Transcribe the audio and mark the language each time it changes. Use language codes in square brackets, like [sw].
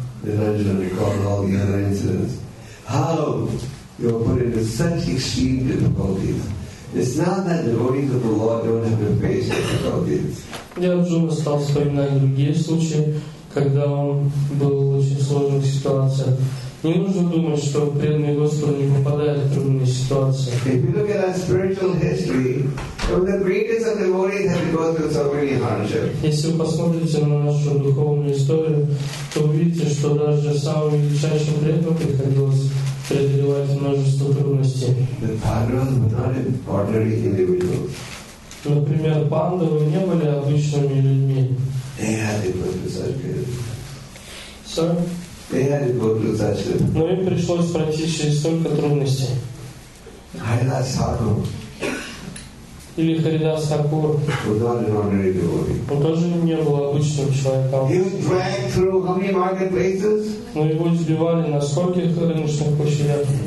[en] Then Arjuna recalled all the other incidents. How you were put into such extreme difficulties. It's not that devotees of the Lord don't have to face difficulties. [ru] И Арджуна стал вспоминать другие случаи, когда он был в очень сложных ситуациях. Не нужно думать, что преданные Господу не попадают в трудные ситуации. [en] If you look at our spiritual history, the greatest of devotees have to go through so many hardships. [ru] Если вы посмотрите на нашу духовную историю, то увидите, что даже самым величайшим преданным приходилось преодолевать множество трудностей. [en] The Pandavas were not ordinary individuals. [ru] Например, Пандавы не были обычными людьми. [en] They had to go through such trials. Sir? They had to go through such trials. [ru] Но им пришлось пройти через столько трудностей. Кайлас Тхакур. Или Харидас Тхакур. [en] Was not an ordinary devotee. [ru] Он тоже не был обычным человеком. [en] He was dragged through how many marketplaces? [ru] Но его избивали на скольких рыночных площадях?